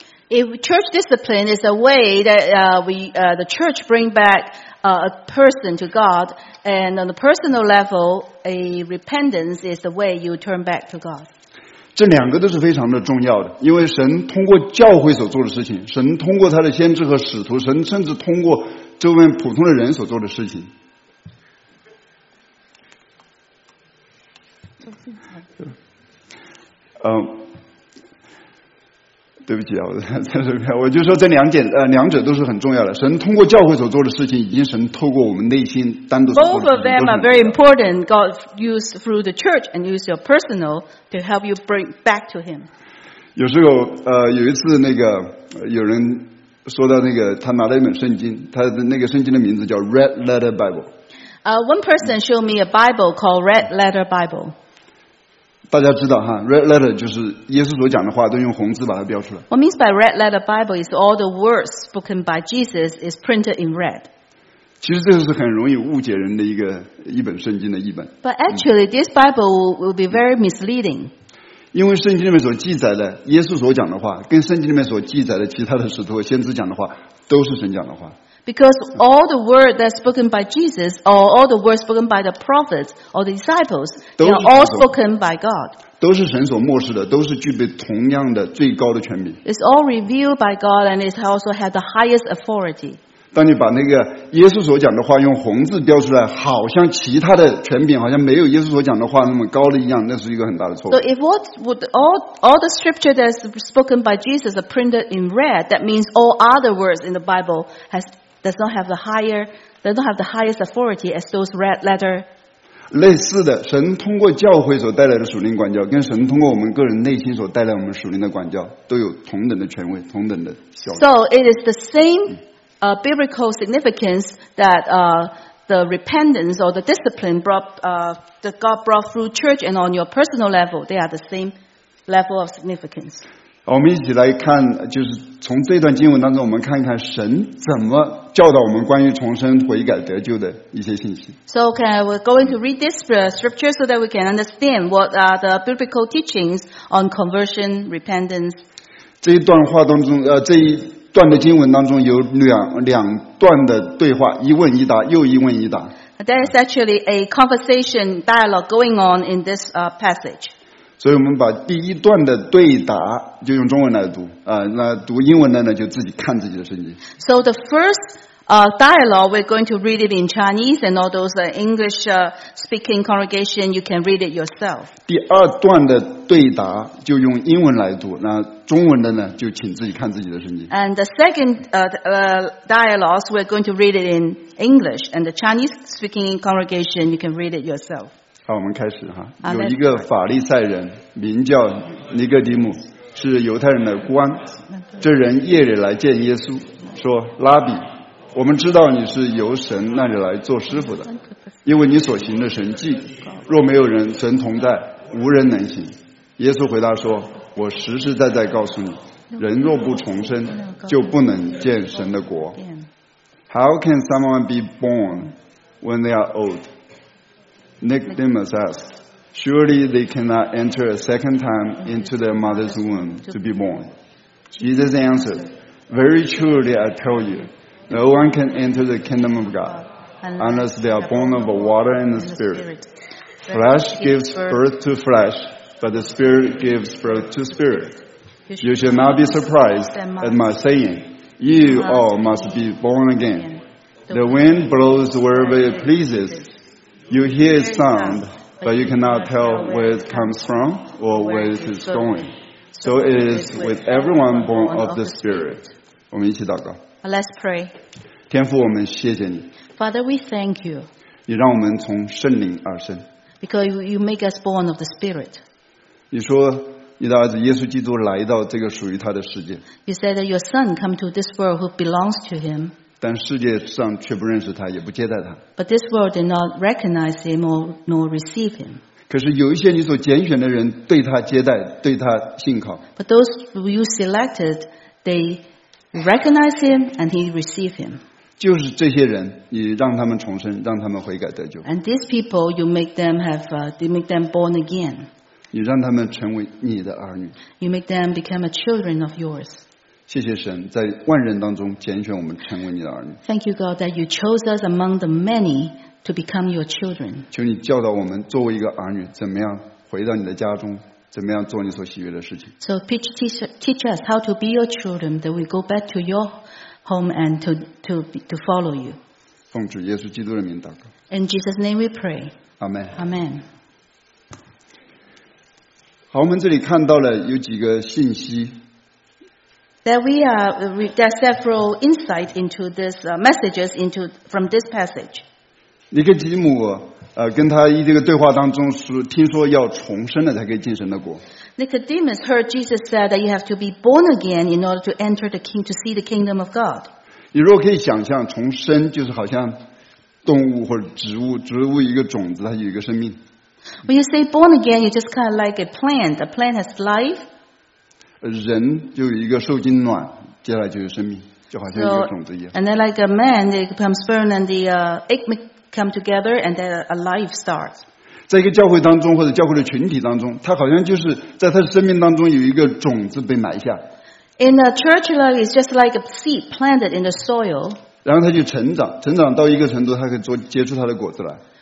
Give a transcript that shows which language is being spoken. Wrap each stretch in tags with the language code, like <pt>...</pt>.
<en>If church discipline is a way that the church bring back a person to God, and on a personal level, a repentance is the way you turn back to God.</en> <zh>这两个都是非常的重要的，因为神通过教会所做的事情，神通过他的先知和使徒，神甚至通过周围普通的人所做的事情。对不起啊，我在这边，我就说这两者都是很重要的。神通过教会所做的事情，已经神透过我们内心单独所做的事情。</zh> <en>Both of them are very important. God used through the church and used your personal to help you bring back to Him.</en> <zh>有时候，有一次那个有人说到那个，他拿了一本圣经，他的那个圣经的名字叫 Red Letter Bible.</zh> <en>One person showed me a Bible called Red Letter Bible.</en> <zh>大家知道哈 ，red letter 就是耶稣所讲的话，都用红字把它标出来。</zh> <en>What means by red letter Bible is all the words spoken by Jesus is printed in red.</en> <zh>其实这是很容易误解人的一本圣经的译本。</zh> <en>But actually, this Bible will be very misleading.</en> <zh>因为圣经里面所记载的耶稣所讲的话，跟圣经里面所记载的其他的使徒和先知讲的话，都是神讲的话。</zh> <en>Because all the word that's spoken by Jesus, or all the words spoken by the prophets or the disciples, they are all spoken by God.</en> <zh>都是神所默示的，都是具备同样的最高的权柄。</zh> <en>It's all revealed by God, and it also has the highest authority.</en> <zh>当你把那个耶稣所讲的话用红字标出来，好像其他的权柄好像没有耶稣所讲的话那么高的一样，那是一个很大的错误。</zh> <en>So if what would all the scripture that's spoken by Jesus are printed in red, that means all other words in the Bible does not have the highest authority as those red letter.</en> <zh>类似的，神通过教会所带来的属灵管教，跟神通过我们个人内心所带来我们属灵的管教，都有同等的权威，同等的效力。</zh> <en>So it is the same biblical significance that the repentance or the discipline that God brought through church and on your personal level, they are the same level of significance.</en> <zh>我们一起来看，就是从这段经文当中，我们看一看神怎么教导我们关于重生、悔改、得救的一些信息。</zh> <en>So, okay, we're going to read this scripture so that we can understand what are the biblical teachings on conversion, repentance.</en> <zh>这一段话当中，这一段的经文当中有两段的对话，一问一答，又一问一答。</zh> <en>There is actually a conversation dialogue going on in this passage.</en> <zh>所以我们把第一段的对答就用中文来读，那读英文的呢就自己看自己的圣经。</zh> <en>So the first dialogue, we're going to read it in Chinese, and all those English speaking congregation, you can read it yourself.</en> <zh>第二段的对答就用英文来读，那中文的呢就请自己看自己的圣经。</zh> <en>And the second dialogue, we're going to read it in English, and the Chinese speaking congregation, you can read it yourself.</en> <zh>好，我们开始哈。有一个法利赛人名叫尼哥底母，是犹太人的官。这人夜里来见耶稣，说：“拉比，我们知道你是由神那里来做师傅的，因为你所行的神迹，若没有人神同在，无人能行。” 耶稣回答说：“我实实在在告诉你，人若不重生，就不能见神的国。”</zh> <en>How can someone be born when they are old? Nicodemus asked, surely they cannot enter a second time into their mother's womb to be born. Jesus answered, very truly I tell you, no one can enter the kingdom of God unless they are born of water and the Spirit. Flesh gives birth to flesh, but the Spirit gives birth to spirit. You shall not be surprised at my saying, you all must be born again. The wind blows wherever it pleases,You hear its sound, but you cannot tell where it comes from or where it is going. So it is with everyone born of the Spirit.</en> <zh>我们一起祷告。</zh> <en>Let's pray.</en> <zh>天父，我们谢谢你。</zh> <en>Father, we thank you.</en> <zh>你让我们从圣灵而生。</zh> <en>Because you make us born of the Spirit.</en> <zh>你说你的儿子耶稣基督来到这个属于他的世界。</zh> <en>You said that your son come to this world who belongs to him.</en> <zh>但世界上却不认识他，也不接待他。</zh> <en>But this world did not recognize him or nor receive him.</en> <zh>可是有一些你所拣选的人对他接待，对他信靠。</zh> <en>But those who you selected, they recognize him and he receive him.</en> <zh>就是这些人，你让他们重生，让他们悔改得救。</zh> <en>And these people, you make them have, they make them born again.</en> <zh>你让他们成为你的儿女。</zh> <en>You make them become a children of yours.</en> <zh>谢谢神，在万人当中拣选我们成为你的儿女。</zh> <en>Thank you, God, that you chose us among the many to become your children.</en> <zh>求你教导我们作为一个儿女，怎么样回到你的家中，怎么样做你所喜悦的事情。</zh> <en>So teach us how to be your children, that we go back to your home and to follow you.</en> <zh>奉主耶稣基督的名祷告。</zh> <en>In Jesus' name, we pray. Amen. Amen.</en> <zh>好，我们这里看到了有几个信息。</zh> <en>That we are, there are several insights into this messages into from this passage.</en> <zh>尼哥底母跟他这个对话当中是听说要重生了才可以进神的国。</zh> <en>Nicodemus heard Jesus said that you have to be born again in order to enter the king to see the kingdom of God.</en> <zh>你如果可以想象重生，就是好像动物或者植物，植物一个种子，它有一个生命。</zh> <en>When you say born again, you just kind of like a plant. A plant has life.</en> <zh>人就有一个受精卵，接下来就有生命，就好像一个种子一样。</zh> <en>So, and then like a man, they become sperm and the egg come together, and then a life starts.</en> <zh>在一个教会当中或者教会的群体当中，他好像就是在他的生命当中有一个种子被埋下。</zh> <en>In a church, like it's just like a seed planted in the soil.</en> <zh>然后他就成长，成长到一个程度，他可以结出他的果子来。</zh>